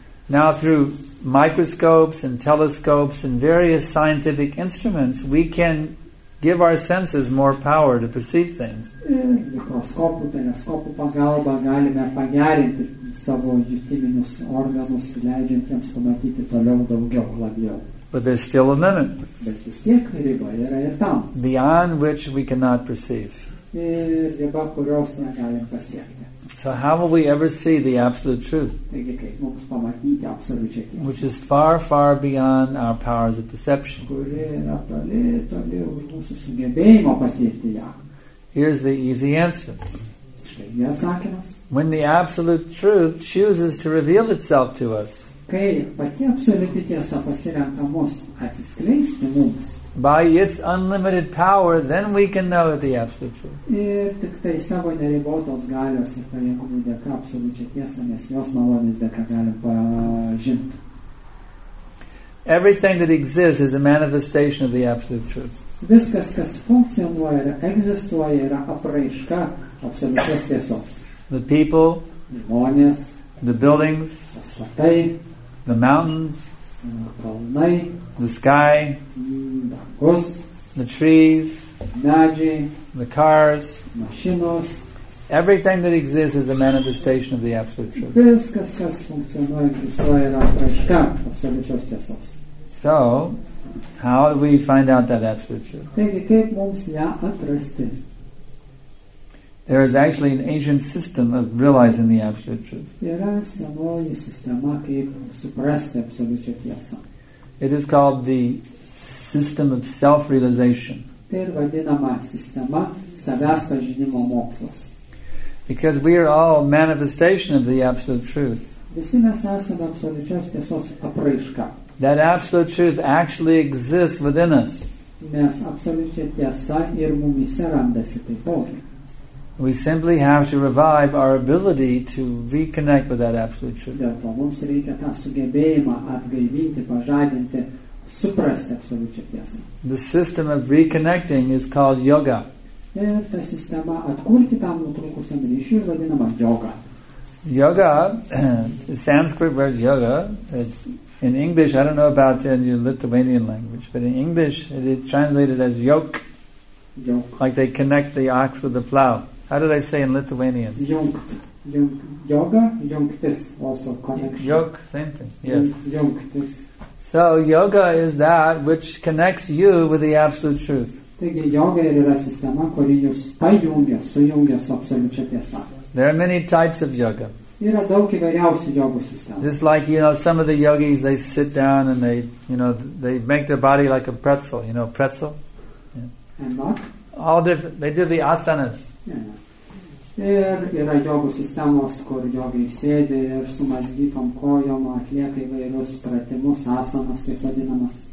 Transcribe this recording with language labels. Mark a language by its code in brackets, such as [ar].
[en] Now through microscopes and telescopes and various scientific instruments, we can give our senses more power to perceive things. [lt] Mikroskopų, teleskopų pagalba galime pagerinti savo jutiminius organus, leidžiantiems pamatyti toliau daugiau labiau. [en] But there's still a limit. [lt] Bet vis tiek riba yra ir tam. [en] Beyond which we cannot perceive. [lt] Ir riba, kurios negalim pasiekti. [en] So how will we ever see the absolute truth? [lt] Taigi, kaip mums pamatyti absoliučią tiesą? [en] Which is far, far beyond our powers of perception. [lt] Kuri yra toli, toli už mūsų sugebėjimo pasiekti ją. [en] Here's the easy answer. [lt] Štai atsakymas. [en] When the absolute truth chooses to reveal itself to us, [lt] kai pati absoliuti tiesa pasirenka mus atsiskleisti mums, [en] by its unlimited power, then we can know the absolute truth. [lt] Ir tik tai savo neribotos galios ir pareigumų dėka absoliučią tiesą, nes jos malonės dėka galim pažinti. [en] Everything that exists is a manifestation of the absolute truth. [lt] Viskas, kas funkcionuoja ir egzistuoja, yra apraiška absoliučios tiesos. [en] The people, [lt] žmonės, [en] the buildings, [lt] pastatai, [en] the mountains, [lt] kalnai, [en] the sky, [lt] dangus, [en] the trees, [lt] medžiai, [en] the cars, [lt] mašinos. [en] Everything that exists is a manifestation of the absolute truth. [lt] Viskas, kas funkcionuoja, egzistuoja, yra apraiška absoliučios tiesos. [en] So, how do we find out that absolute truth? [lt] Taigi, kaip mums ją atrasti? [en] There is actually an ancient system of realizing the absolute truth. [lt] Yra senoji sistema, kaip suprasti absoliučią tiesą. [en] It is called the system of self-realization. [lt] Tai ir vadinama sistema savęs pažinimo mokslas. [en] Because we are all manifestation of the absolute truth. [lt] Visi mes esame absoliučios tiesos apraiška. [en] That absolute truth actually exists within us. [lt] Nes absoliučia tiesa ir mumyse randasi taipogi. [en] We simply have to revive our ability to reconnect with that absolute truth. [lt] Dėl to mums reikia tą sugebėjimą atgaivinti, pažadinti, suprasti absoliučią tiesą. [en] The system of reconnecting is called yoga. [lt] Ir ta sistema atkurti tam nutrūkusiam ryšiui vadinama yoga. [en] Yoga, the Sanskrit word yoga, in English, I don't know about it in your Lithuanian language, but in English it is translated as yoke. Yoke. Like they connect the ox with the plow. How did I say in Lithuanian? Yoga, jungtis also connection. Yog, same thing. Yes. [lt] Jungtis. [en] So yoga is that which connects you with the absolute truth. [lt] Taigi, yoga yra sistema, kuri jūs pajungia, sujungia su absoliučia tiesa. [en] There are many types of yoga. [lt] Yra daug įvairiausių jogos sistemų. [en] Just like, you know, some of the yogis, they sit down and they, you know, they make their body like a pretzel, you know, pretzel. Yeah. All different. They do the asanas. Yeah. [lt] Ir yra jogos sistemos, kur jogai sėdi ir su mazgytom kojom atlieka įvairius pratimus, asanas, taip vadinamas.